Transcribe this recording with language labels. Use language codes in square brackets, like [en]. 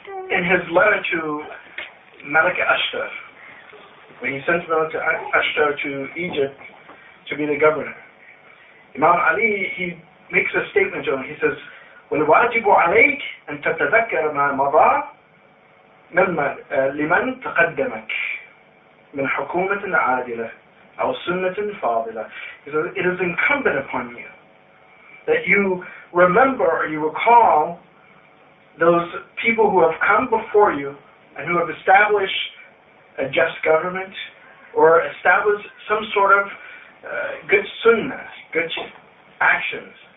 [en] in his letter to Malik Ashtar, when he sent Malik Ashtar to Egypt to be the governor, Imam Ali, he makes a statement to him. He says, [ar] والواجب عليك أن تتذكر ما مضى لمن تقدمك من حكومة عادلة أو سنة فاضلة. [en] He says, it is incumbent upon you that you remember or you recall those people who have come before you and who have established a just government or established some sort of good sunnah, good actions.